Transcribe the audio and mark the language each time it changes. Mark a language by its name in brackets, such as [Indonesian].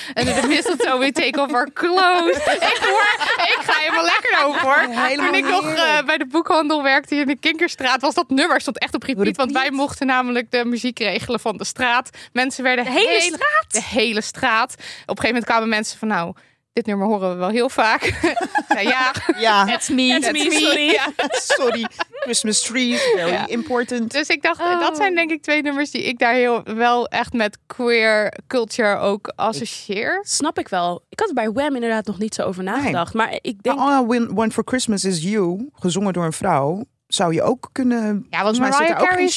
[English] And the mistletoe we take off our clothes. [Dutch] Ik ga helemaal lekker over, hoor. Helemaal toen ik nog bij de boekhandel werkte in de Kinkerstraat, was dat nummer, stond echt op repeat. Want wij mochten namelijk de muziek regelen van de straat. Mensen werden De hele straat. Op een gegeven moment kwamen mensen van, nou, dit nummer horen we wel heel vaak. Ja. [English] That's me. Sorry. [Dutch] Ja. [English] Sorry. Christmas trees, very important. [Dutch] Dus ik dacht, dat zijn denk ik twee nummers die ik daar heel wel echt met queer culture ook associeer. Snap ik wel. Ik had er bij Wham inderdaad nog niet zo over nagedacht, maar ik denk... All I Want for Christmas is You, gezongen door een vrouw. Zou je ook kunnen... Ja, want mij Mariah Carey is